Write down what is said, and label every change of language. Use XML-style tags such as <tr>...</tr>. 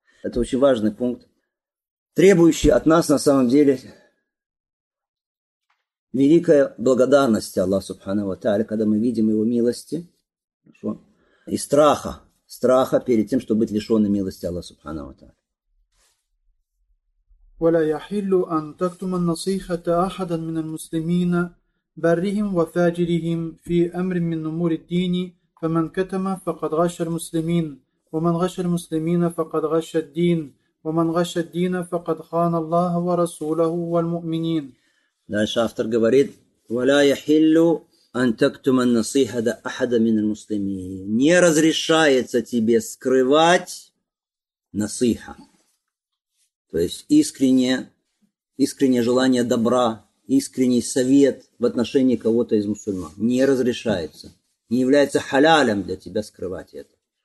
<ru>Это очень важный пункт, требующий от нас на самом деле великая благодарность Аллаху субхана ва тааля, когда мы видим его милости и страха перед тем, чтобы быть лишенным милости Аллаху субхана ва тааля.</ru> <ar>ولا يحل أن تكتم النصيحة أحدا من المسلمين برهم وفاجرهم في أمر من أمور الدين فمن كتم فقد غش المسلمين ومن غش المسلمين فقد غش الدين ومن غش الدين فقد خان الله ورسوله والمؤمنين. دهش أفتر говорит ولا يحل أن تكتم النصيحة أحدا من المسلمين.</ar> <ru>Не разрешается тебе скрывать насиха. То есть искреннее желание добра, искренний совет в отношении кого-то из мусульман не разрешается, не является халялем для тебя скрывать это.</ru>